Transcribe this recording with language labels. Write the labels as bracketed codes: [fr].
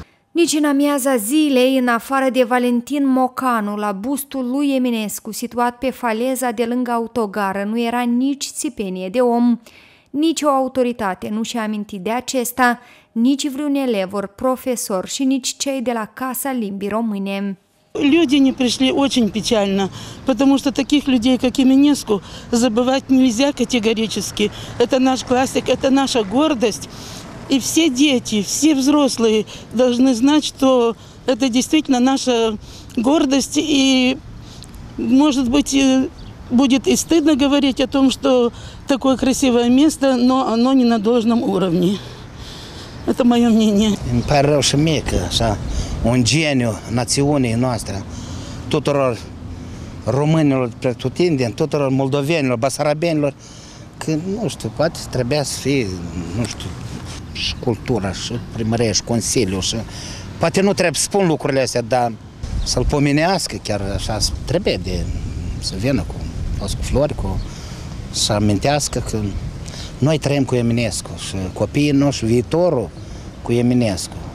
[ro] Nici în amiaza zilei, în afară de Valentin Mocanu, la bustul lui Eminescu, situat pe faleza de lângă autogară, nu era nici țipenie de om. Nici o autoritate nu și-a amintit de acesta, nici vreun elev, ori profesor și nici cei de la Casa Limbii Române. [ru] Люди не пришли очень печально, потому что таких людей, как Еминеску, забывать нельзя категорически. Это наш классик, это наша гордость. И все дети, все взрослые должны знать, что это действительно наша гордость. И, может быть, будет и стыдно говорить о том, что такое красивое место, но оно не на должном уровне. Это мое мнение. Мне кажется, мелко, да? [ro] Un geniu națiunii noastre, tuturor românilor pretutindeni, tuturor moldovenilor, basarabenilor, că, nu știu, poate trebuia să fie, nu știu, și cultura, și primărie, și consiliu, și poate nu trebuie să spun lucrurile astea, dar să-l pomenească chiar așa, trebuie de să vină cu toți flori, cu, să amintească că noi trăim cu Eminescu și copiii noștri, viitorul cu Eminescu.